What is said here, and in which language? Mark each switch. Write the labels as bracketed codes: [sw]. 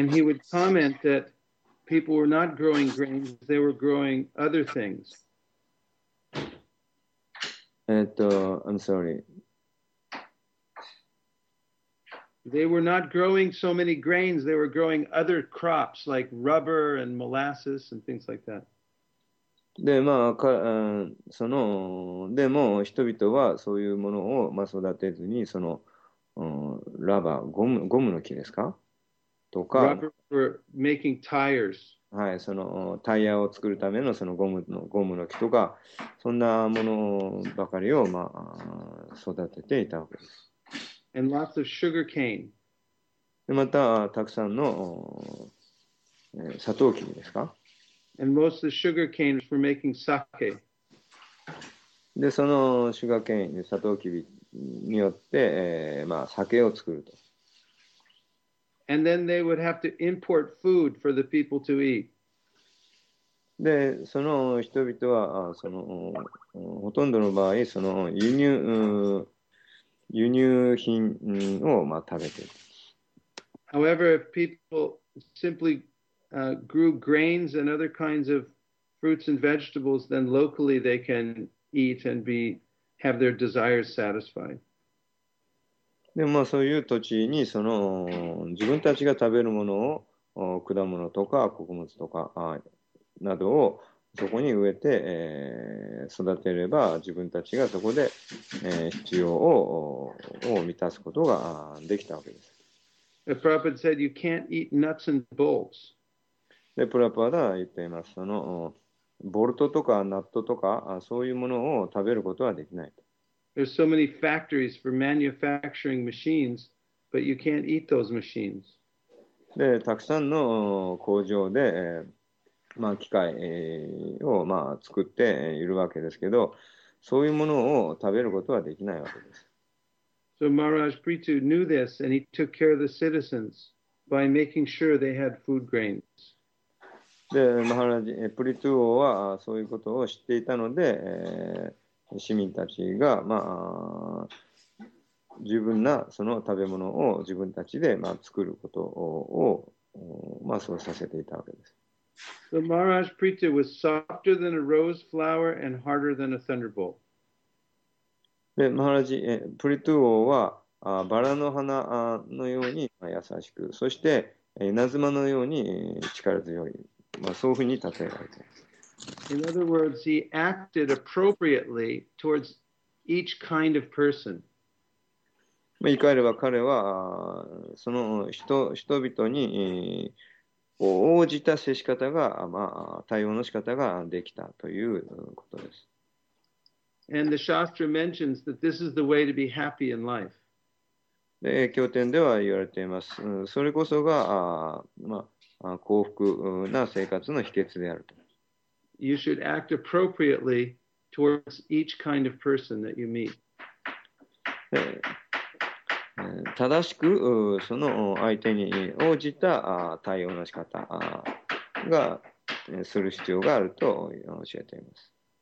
[en] And he would comment that people were not growing grains, they were growing other things. I'm sorry. They were not growing so many grains, they were growing other crops like rubber and molasses and things like that. [ja] で、まあ、か、その、でも人々はそういうものを、まあ、育てずに、そのラバー、ゴムの木ですかとか、はい、そのタイヤを作るためのそのゴムの木とか、そんなものばかりを、まあ、育てていたわけです。 [en] And lots of sugar cane. [ja] で、また、たくさんの、サトウキビですか。 [en] And most of the sugar cane for making sake. [ja] で、そのシュガーケイン、サトウキビによって、まあ、酒を作ると。 [en] And then they would have to import food for the people to eat. [ja] で、その人々は、その、ほとんどの場合、その輸入品を、まあ、食べている。 [en] However, if people simply grew grains and other kinds of fruits and vegetables, then locally they can eat and have their desires satisfied. [ja] でもまあそういう土地にその自分たちが食べるものを果物とか穀物とかなどをそこに植えて育てれば自分たちがそこで必要を満たすことができたわけです。 [en] The Prabhupada said you can't eat nuts and bolts. [ja] で、プラパダは言っています。その、ボルトとかナットとか、そういうものを食べることはできない。 [en] There's so many factories for manufacturing machines, but you can't eat those machines. [ja] で、たくさんの工場で、まあ、機械を、まあ、作っているわけですけど、そういうものを食べることはできないわけです。 [en] So Maharaj Prithu knew this, and he took care of the citizens by making sure they had food grains. [ja] で、マハラジ、プリトゥ王はそういうことを知っていたので、市民たちが、まあ、十分なその食べ物を自分たちで、まあ、作ることを、まあ、そうさせていたわけです。 [en] The Maharaj Prithu was softer than a rose flower and harder than a thunderbolt. [ja] で、マハラジ、プリトゥ王はバラの花のように優しく、そして、稲妻のように力強い、まあ、そういうふうに例えられています [en] 。 In other words, he acted appropriately towards each kind of person. [ja] 言い換えれば彼はその人々に応じた接し方が、まあ、対応の仕方ができたということです。 [en] And the Shastra mentions that this is the way to be happy in life. [ja] で、経典では言われています。それこそが、まあ、幸福な生活の秘訣であると。 [en] You should act appropriately towards each kind of person that you meet. [ja] 正しくその相手に応じた対応の仕方がする必要があると教えています。